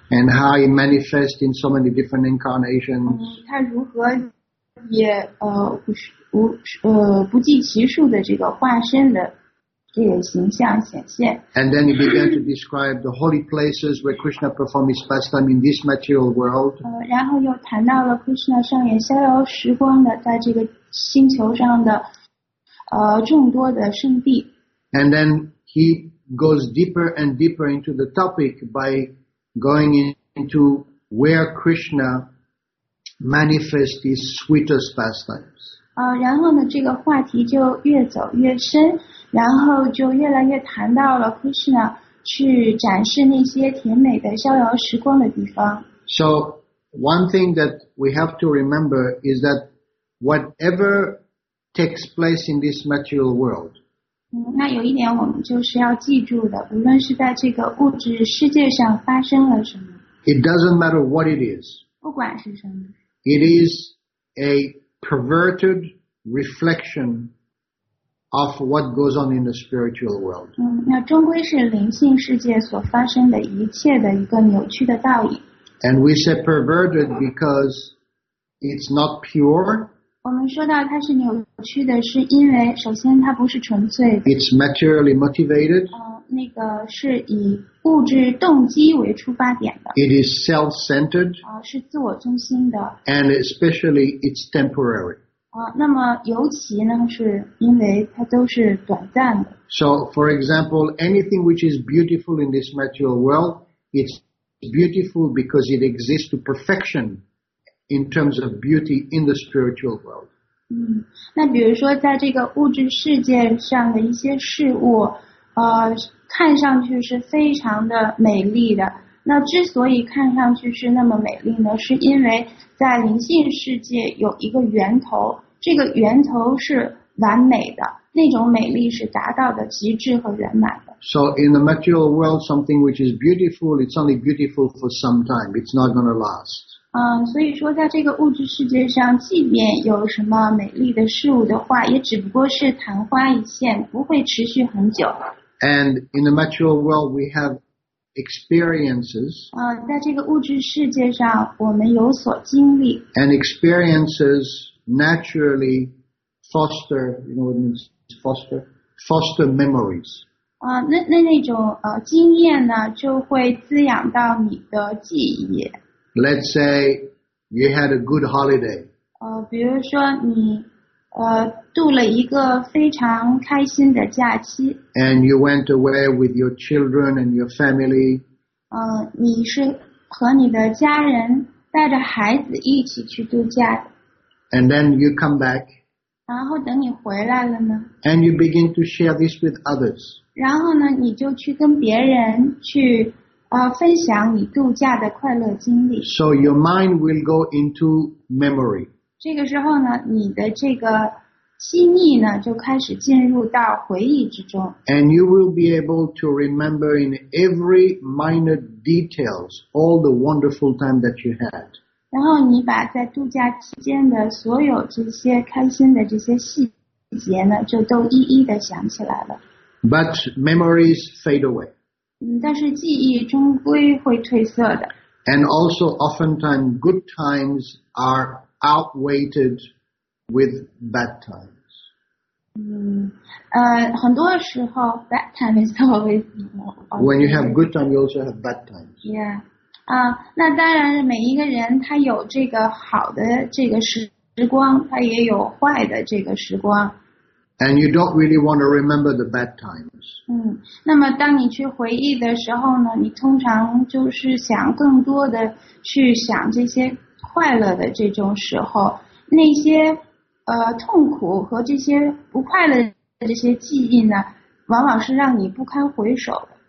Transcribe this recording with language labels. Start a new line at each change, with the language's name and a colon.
English: and how he manifests in so many different incarnations,
Chinese: 他如何也不计其数的这个化身的这个形象显现。
English: And then he began to describe the holy places where Krishna performed his pastime in this material world.
Chinese: 然后又谈到了 Krishna 上演逍遥时光的在这个星球上的众多的圣地。
English: And then he goes deeper and deeper into the topic by going into where Krishna manifests his sweetest pastimes.
Chinese: 然后呢，这个话题就越走越深，然后就越来越谈到了 Krishna 去展示那些甜美的逍遥时光的地方。
English: So one thing that we have to remember is that whatever takes place in this material world,
Chinese: 那有一点我们就是要记住的，无论是在这个物质世界上发生了什么，
English: it doesn't matter what it is,
Chinese: 不管是什么，
English: it is a perverted reflection of what goes on in the spiritual world.
Chinese: 那终归是灵性世界所发生的一切的一个扭曲的倒影。
English: And we say perverted because it's not pure.
Chinese: 我们说到它是扭曲的，是因为首先它不是纯粹的。
English: It's materially motivated.
Chinese: 那个是以物质动机为出发点的。
English: It is self-centered.
Chinese: 是自我中心的。
English: And especially it's temporary.
Chinese: 那么尤其呢，是因为它都是短暂的。
English: So, for example, anything which is beautiful in this material world, it'sBeautiful because it exists to perfection in terms of beauty in the spiritual world.
Chinese: 那比如说在这个物质世界上的一些事物，看上去是非常的美丽的。那之所以看上去是那么美丽呢，是因为在灵性世界有一个源头，这个源头是完美的，那种美丽是达到的极致和圆满的。
English: So in the material world, something which is beautiful, it's only beautiful for some time. It's not going to last.
Chinese: 所以说在这个物质世界上，即便有什么美丽的事物的话，也只不过是昙花一现，不会持续很久。
English: And in the material world, we have experiences.
Chinese: 在这个物质世界上，我们有所经历。
English: And experiences naturally foster, you know what it means, foster memories.
Chinese: 那种经验呢，就会滋养到你的记忆。
English: Let's say you had a good holiday.
Chinese: 比如说你度了一个非常开心的假期。
English: And you went away with your children and your family.
Chinese: 你是和你的家人带着孩子一起去度假。
English: And then you come back.
Chinese: 然后等你回来了呢。
English: And you begin to share this with others.
Chinese: 然后呢，你就去跟别人去分享你度假的快乐经历。
English: So your mind will go into memory.
Chinese: 这个时候呢，你的这个记忆呢，就开始进入到回忆之中。
English: And you will be able to remember in every minor details all the wonderful time that you had.
Chinese: 然后你把在度假期间的所有这些开心的这些细节呢，就都一一的想起来了。
English: But memories fade away.
Chinese: 但是记忆终归会褪色的。
English: And also oftentimes good times are outweighed with bad times.
Chinese: 很多时候
English: bad time is always more. When you have good time, you also have bad times. Yeah.
Chinese: 那当然每一个人他有这个好的这个时光，他也有坏的这个时光。
English: And you don't really want to remember the bad times.
Chinese: 那么当你去回忆的时候呢，你通常就是想更多的去想这些快乐的这种时候，那些痛苦和这些不快乐的这些记忆呢，往往是让你不堪回首的。